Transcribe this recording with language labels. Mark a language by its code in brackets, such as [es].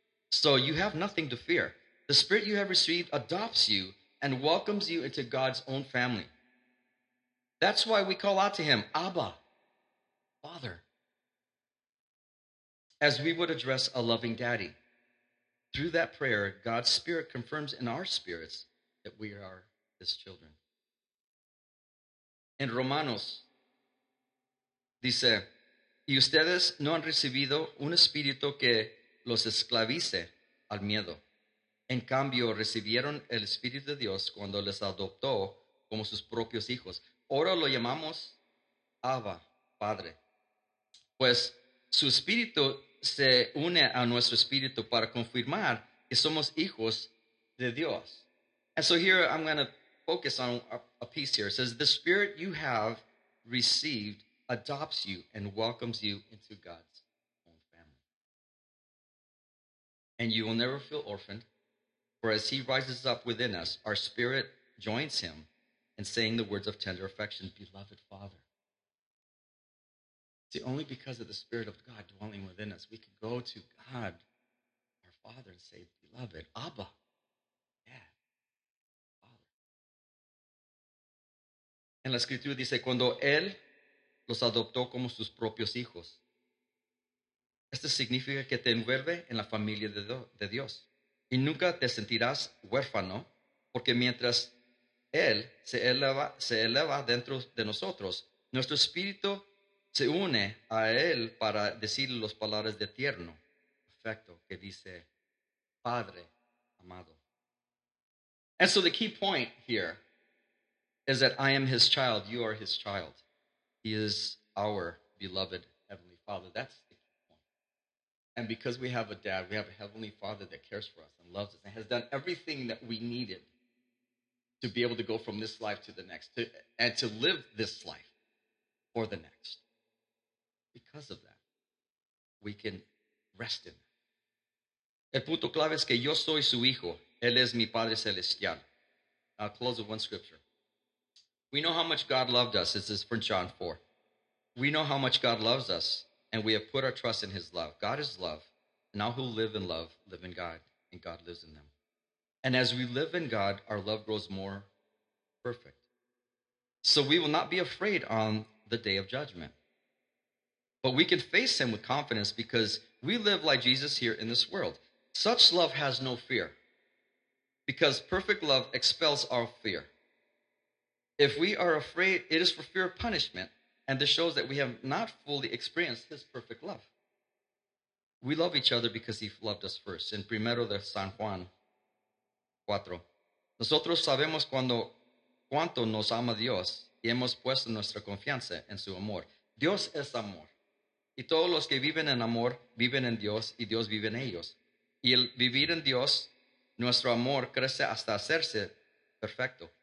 [en] So you have nothing to fear. The spirit you have received adopts you and welcomes you into God's own family. That's why we call out to him, Abba, Father, as we would address a loving daddy. Through that prayer, God's Spirit confirms in our spirits that we are his children. [es] En Romanos, dice, y ustedes no han recibido un espíritu que los esclavice al miedo. En cambio, recibieron el Espíritu de Dios cuando les adoptó como sus propios hijos. Ahora lo llamamos Abba, Padre. Pues su espíritu se une a nuestro espíritu para confirmar que somos hijos de Dios. [en] And so here I'm going to focus on a piece here. It says, the Spirit you have received adopts you and welcomes you into God's own family. And you will never feel orphaned, for as he rises up within us, our spirit joins him in saying the words of tender affection, Beloved Father. See, only because of the Spirit of God dwelling within us, we can go to God, our Father, and say, Beloved, Abba, Dad, Father. [es] En la Escritura dice, cuando Él los adoptó como sus propios hijos. Esto significa que te envuelve en la familia de Dios. Y nunca te sentirás huérfano, porque mientras Él se eleva dentro de nosotros, nuestro espíritu se une a Él para decir las palabras de tierno afecto que dice, Padre amado. [en] And so the key point here is that I am his child, you are his child. He is our beloved Heavenly Father. That's the key point. And because we have a dad, we have a Heavenly Father that cares for us and loves us and has done everything that we needed to be able to go from this life to the next, and to live this life for the next. Because of that, we can rest in it. [es] El punto clave es que yo soy su hijo. Él es mi padre celestial. [en] I'll close with one scripture. We know how much God loved us. This is from John 4. We know how much God loves us, and we have put our trust in his love. God is love, and all who live in love live in God, and God lives in them. And as we live in God, our love grows more perfect. So we will not be afraid on the day of judgment. But we can face him with confidence because we live like Jesus here in this world. Such love has no fear because perfect love expels our fear. If we are afraid, it is for fear of punishment. And this shows that we have not fully experienced his perfect love. We love each other because he loved us first. [es] In Primero de San Juan 4, nosotros sabemos cuánto nos ama Dios y hemos puesto nuestra confianza en su amor. Dios es amor. Y todos los que viven en amor, viven en Dios y Dios vive en ellos. Y el vivir en Dios, nuestro amor crece hasta hacerse perfecto.